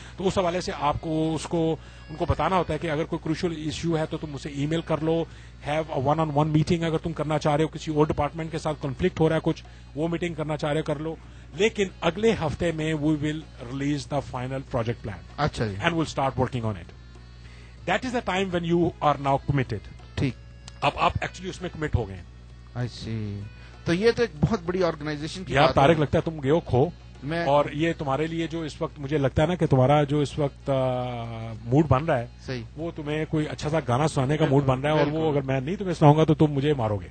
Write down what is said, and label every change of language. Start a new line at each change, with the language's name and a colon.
Urdu: تو اس حوالے سے آپ کو اس کو ان کو بتانا ہوتا ہے کہ اگر کوئی کروشل ایشو ہے تو تم اسے ای میل کر لو,
English: have a one on one meeting
Urdu: اگر تم کرنا چاہ رہے ہو, کسی اور ڈپارٹمنٹ کے ساتھ کنفلکٹ ہو رہا ہے کچھ وہ میٹنگ کرنا چاہ رہے ہو کر لو, لیکن اگلے ہفتے میں
English: We will release the final project plan.
Urdu: اچھا,
English: And will start working on it. That is the time when you are now committed.
Urdu: ٹھیک, اب آپ ایکچولی اس میں کمٹ ہو گئے.
English: I see,
Urdu: تو یہ تو ایک بہت بڑی آرگنائزیشن کی بات. طارق لگتا ہے تم گئے ہو کھو میں, اور یہ تمہارے لیے جو اس وقت مجھے لگتا ہے نا کہ تمہارا جو اس وقت موڈ بن رہا ہے صحیح, وہ تمہیں کوئی اچھا سا گانا سنانے کا موڈ بن رہا ہے, اور وہ اگر میں نہیں تمہیں سناؤں گا تو تم مجھے مارو گے.